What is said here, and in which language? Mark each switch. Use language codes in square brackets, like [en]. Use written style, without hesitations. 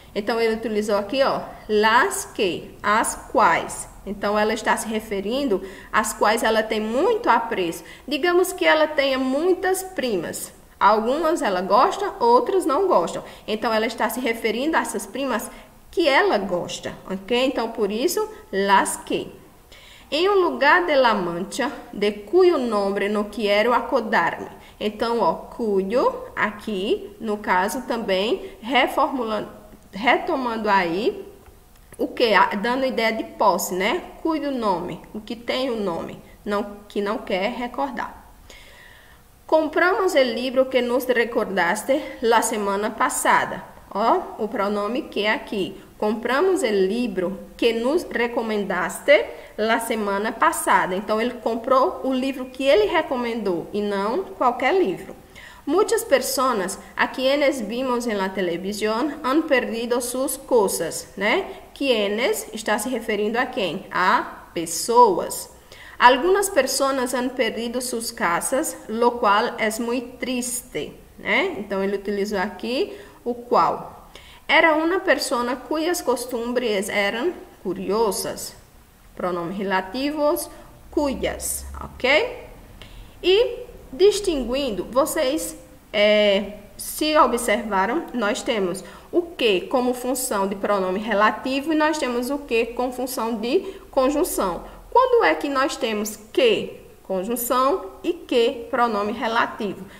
[pt] Então ele utilizou aqui, ó, [es] las que, [pt] as quais. Então ela está se referindo às quais ela tem muito apreço. Digamos que ela tenha muitas primas. Algumas ela gosta, outras não gostam. Então ela está se referindo a essas primas que ela gosta, ok? Então, por isso, [es] las que. En un lugar de la mancha, de cuyo nombre no quiero acordarme. [pt] Então, ó, cuyo, aqui, no caso, também, reformulando, retomando aí, o quê? Dando ideia de posse, né? Cuyo nome, o que tem o nome, não, que não quer recordar. [es] Compramos el libro que nos recordaste la semana pasada. [pt] Ó, o pronome que é aqui. [es] Compramos el libro que nos recomendaste la semana passada. [pt] Então, ele comprou o livro que ele recomendou e não qualquer livro. Muitas pessoas [es] a quienes vimos en la televisión han perdido [pt] suas coisas, né? Quienes está se referindo a quem? A pessoas. Algumas pessoas [es] han perdido [pt] suas casas, [es] lo qual es muy triste, né? [pt] Então, ele utilizou aqui o qual. [es] Era una persona cuyas costumbres eran curiosas. Pronombres relativos, cuyas, ok? [pt] E distinguindo, vocês se observaram, nós temos o que como função de pronome relativo e nós temos o que com função de conjunção. Quando é que nós temos que conjunção e que pronome relativo?